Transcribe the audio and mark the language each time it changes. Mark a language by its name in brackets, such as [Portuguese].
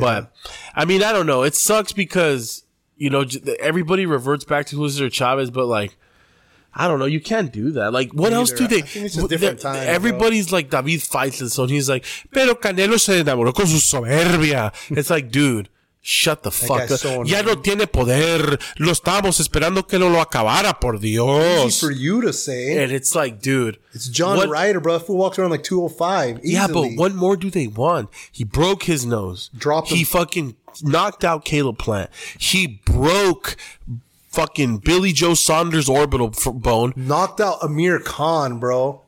[English] But, I mean, I don't know. It sucks because, you know, everybody reverts back to Julio Cesar Chavez, but like, I don't know. You can't do that. Like, what else do they? I think it's just different time, everybody's bro. Like, David fights and so he's like, [Spanish] pero Canelo se enamoró con su soberbia. [English] It's like, dude, shut the fuck up. [Spanish] So ya no tiene poder. Lo estábamos esperando que no lo acabara, por Dios. [English] Easy for you to say. And it's like, dude. It's John Ryder, bro. Who walks around like 205 easily. Yeah, but what more do they want? He broke his nose. Dropped him. He fucking knocked out Caleb Plant. He broke fucking Billy Joe Saunders' orbital bone. Knocked out Amir Khan, bro.